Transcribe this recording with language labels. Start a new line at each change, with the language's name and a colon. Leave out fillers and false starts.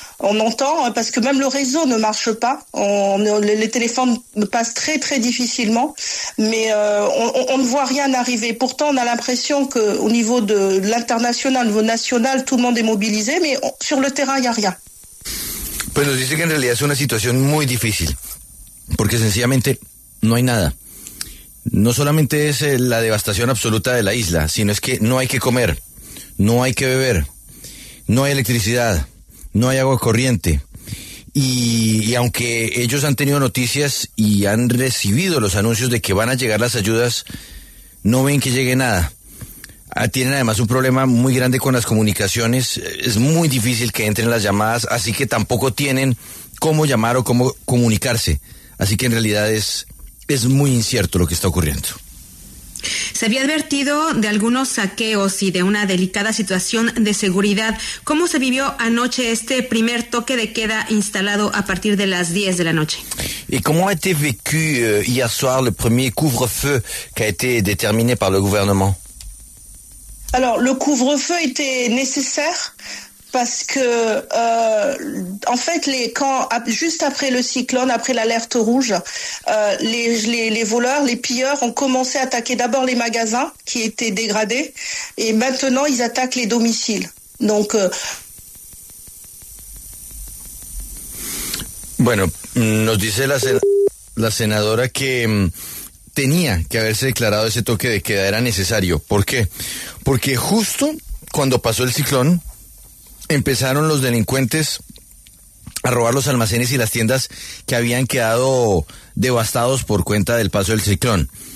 French: On entend, parce que même le réseau ne marche pas. Les téléphones passent très très difficilement. Mais on ne voit rien arriver. Pourtant, on a l'impression qu'au niveau de l'international, au niveau national, tout le monde est mobilisé. Mais sur le terrain, il n'y a rien.
Spanish: Pues nos dice que en realidad es una situación muy difícil. Porque sencillamente no hay nada. No solamente es la devastación absoluta de la isla, sino es que no hay que comer, no hay que beber, no hay electricidad, no hay agua corriente. Y aunque ellos han tenido noticias y han recibido los anuncios de que van a llegar las ayudas, no ven que llegue nada. Tienen además un problema muy grande con las comunicaciones. Es muy difícil que entren las llamadas, así que tampoco tienen cómo llamar o cómo comunicarse. Así que en realidad es muy incierto lo que está ocurriendo. Se había advertido de algunos saqueos y de una delicada situación de seguridad. ¿Cómo se vivió anoche este primer toque de queda instalado a partir de las 10 de la noche? ¿Y cómo ha
French: été vécu hier soir le premier couvre-feu qui a été déterminé par le gouvernement? Alors, le couvre-feu était nécessaire. Parce que, en fait, juste après le cyclone, après l'alerte rouge, les voleurs, les pilleurs ont commencé à attaquer d'abord les magasins qui étaient dégradés, et maintenant ils attaquent les domiciles. Donc,
Spanish: bueno, nos dice la senadora que tenía que haberse declarado ese toque de queda, era necesario. ¿Por qué? Porque justo cuando pasó el ciclón, empezaron los delincuentes a robar los almacenes y las tiendas que habían quedado devastados por cuenta del paso del ciclón.